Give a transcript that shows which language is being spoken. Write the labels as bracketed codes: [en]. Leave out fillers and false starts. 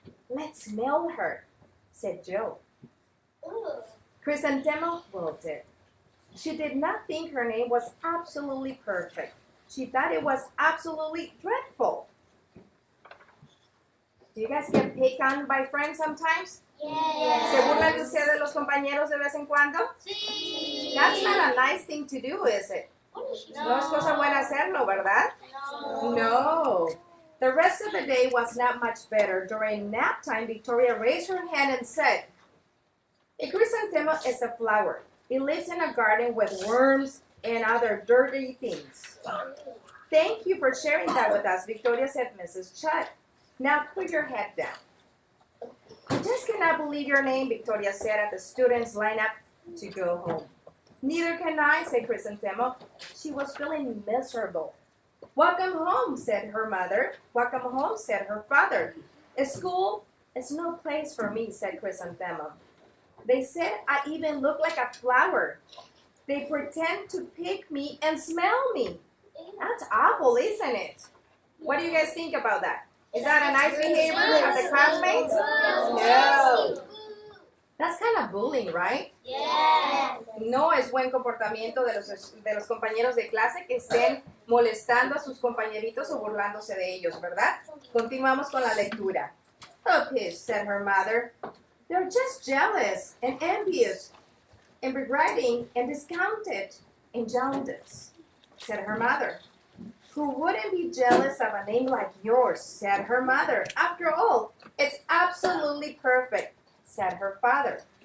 [en] Let's smell her, said Joe. Chrysanthemum wilted. She did not think her name was absolutely perfect. She thought it was absolutely dreadful. Do you guys get picked on by friends sometimes? Yes. [es] ¿Se burlan ustedes de los compañeros de vez en cuando? Sí. [en] That's not a nice thing to do, is it? No. [es] No es cosa buena hacerlo, ¿verdad? No. No. [en] The rest of the day was not much better. During nap time, Victoria raised her hand and said, a chrysanthemum is a flower. It lives in a garden with worms and other dirty things. Thank you for sharing that with us, Victoria, said Mrs. Chutt. Now put your head down. I just cannot believe your name, Victoria said at the students' lineup to go home. Neither can I, said Chrysanthemum. She was feeling miserable. Welcome home, said her mother. Welcome home, said her father. A school is no place for me, said Chrysanthemum. They said I even look like a flower, They pretend to pick me and smell me. That's awful, isn't it? What do you guys think about that? Is that a nice behavior of the classmates? No. That's kind of bullying, right? Yeah. [es] No es buen comportamiento de los compañeros de clase que estén molestando a sus compañeritos o burlándose de ellos, ¿verdad? Continuamos con la lectura. [en] Puppies, said her mother. They're just jealous and envious and regretting and discounted and jaundiced, said her mother. Who wouldn't be jealous of a name like yours, said her mother. After all, it's absolutely perfect, said her father.